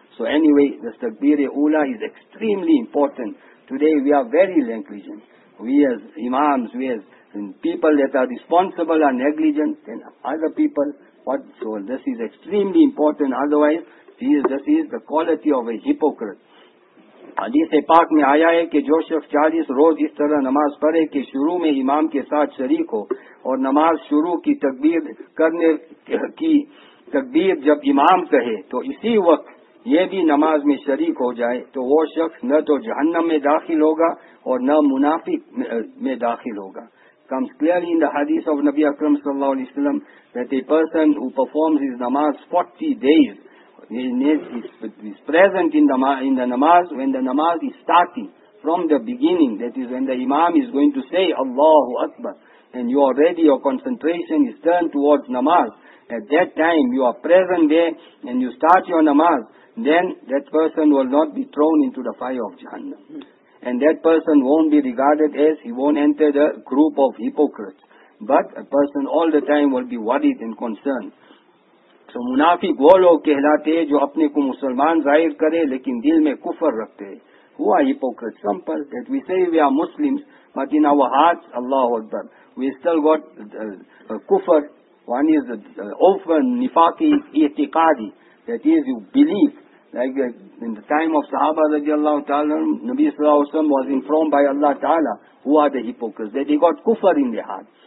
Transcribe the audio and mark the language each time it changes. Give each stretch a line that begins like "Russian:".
English: So anyway, the takbir-e-ula is extremely important. Today, we are very negligent. We as imams, we as people that are responsible are negligent, and other people, so this is extremely important. Otherwise, this is the quality of a hypocrite.
Urdu: حدیث پاک میں آیا ہے کہ جو شخص 40 روز اس طرح نماز پڑھے کہ شروع میں امام کے ساتھ شریک ہو اور نماز شروع کی تکبیر کرنے کی تکبیر جب امام کہے تو اسی وقت یہ بھی نماز میں شریک ہو جائے تو وہ شخص نہ تو جہنم میں داخل ہوگا اور نہ منافق میں داخل ہوگا.
English: Comes clearly in the حدیث of نبی اکرم صلی اللہ علیہ وسلم that a person who performs his namaz 40 days is present in the namaz when the namaz is starting from the beginning, that is when the imam is going to say Allahu Akbar, and you are ready, your concentration is turned towards namaz, at that time you are present there and you start your namaz, then that person will not be thrown into the fire of Jahannam. And that person won't be regarded as, he won't enter the group of hypocrites, but a person all the time will be worried and concerned.
Urdu: تو منافق وہ لوگ کہلاتے ہیں جو اپنے کو مسلمان ظاہر کرے لیکن دل میں کفر رکھتے ہیں.
English: Who are hypocrites? Simple, that we say we are Muslims, but in our hearts, Allah Akbar, we still got kufr. One is often nifaqi i'tiqadi, that is you believe. Like in the time of Sahaba radiallahu ta'ala, Nabi sallallahu alayhi wa sallam was informed by Allah Ta'ala, who are the hypocrites, that they got kufr in their heart.